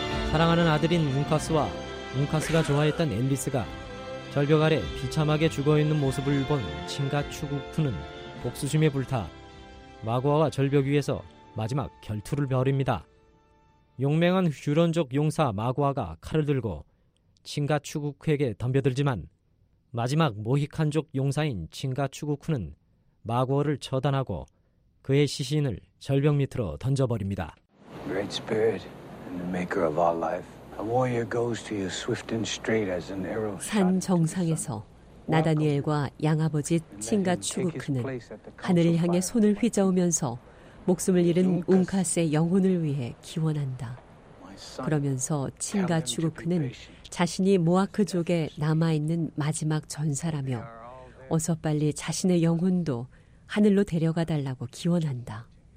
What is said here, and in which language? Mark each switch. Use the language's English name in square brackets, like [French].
[Korean] 사랑하는 아들인 웅카스와 웅카스가 좋아했던 앨리스가 절벽 아래 비참하게 죽어있는 모습을 본 친가 추구프는 복수심에 불타 마구아와 절벽 위에서 마지막 결투를 벌입니다. 용맹한 휴런족 용사 마구아가 칼을 들고 친가 추구크에게 덤벼들지만 마지막 모히칸족 용사인 친가 추구크는 마구아를 처단하고 그의 시신을 절벽 밑으로 던져버립니다. [English] Great Spirit and the maker of all life. A warrior goes to you swift and straight as an arrow shot. [Korean] 산 정상에서 나다니엘과 양아버지 친가 추구크는 하늘을 향해 손을 휘저으면서 목숨을 잃은 웅카스의 영혼을 위해 기원한다. 그러면서 친가 추구크는 자신이 모아크족에 남아있는 마지막 전사라며 어서 빨리 자신의 영혼도 하늘로 데려가달라고 기원한다.